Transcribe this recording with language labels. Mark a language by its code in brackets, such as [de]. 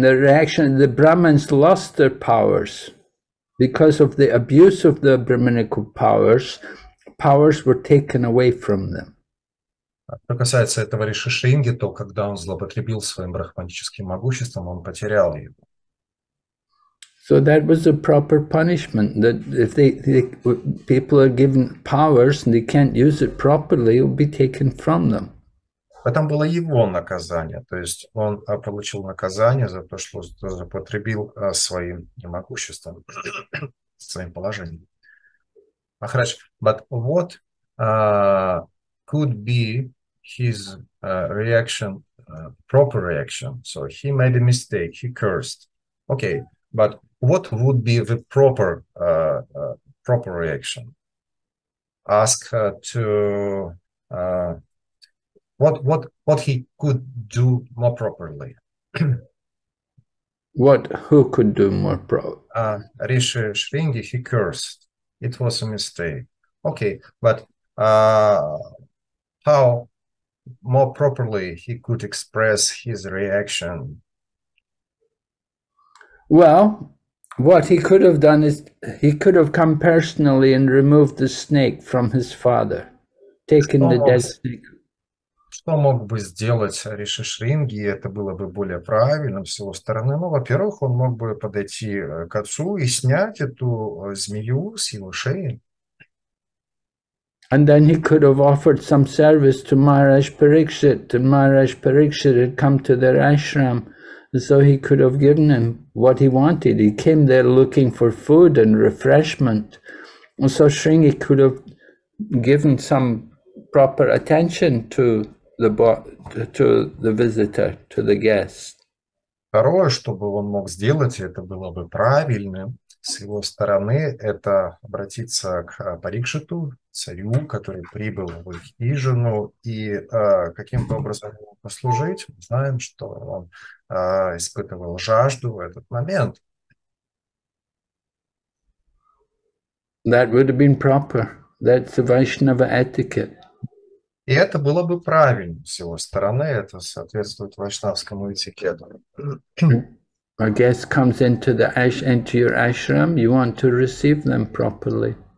[en] The reaction, the Brahmins lost their powers. Because of the abuse of the brahminical powers, powers were taken away from them. [ru] Что касается этого Риши Шринги, то когда он злоупотребил своим брахманическим могуществом, он потерял его. [en] So that was a proper punishment, that if people are given powers and they can't use it properly, it will be taken from them. [ru] Это было его наказание, то есть он получил наказание за то, что злоупотребил своим могуществом, своим положением. Махарадж, [en] but what could be his reaction, proper reaction. So he made a mistake, he cursed. Okay, but what would be the proper proper reaction? Ask to what he could do more properly. What, who could do more pro? Rishi Shringi, he cursed. It was a mistake. Okay, but how more properly he could express his reaction? Well, what he could have done is he could have come personally and removed the snake from his father, taking the dead snake. [ru] Что мог бы сделать Риши Шринги, это было бы более правильным с его стороны. Ну, во-первых, он мог бы подойти к отцу и снять эту змею с его шеи. [en] And then he could have offered some service to Maharaj Parikshit. And Maharaj Parikshit had come to their ashram, so he could have given him what he wanted. He came there looking for food and refreshment. And so Шринги could have given some proper attention to the visitor, to the guest. [ru] Второе, что бы он мог сделать, это было бы правильным с его стороны, это обратиться к Парикшиту, царю, который прибыл в их хижину, и каким-то образом послужить. Мы знаем, что он испытывал жажду в этот момент. [en] That would have been proper. That's the Vaishnava etiquette. [ru] И это было бы правильно с его стороны, это соответствует вайшнавскому этикету. [en] A guest comes into the into your ashram, you want to receive them properly.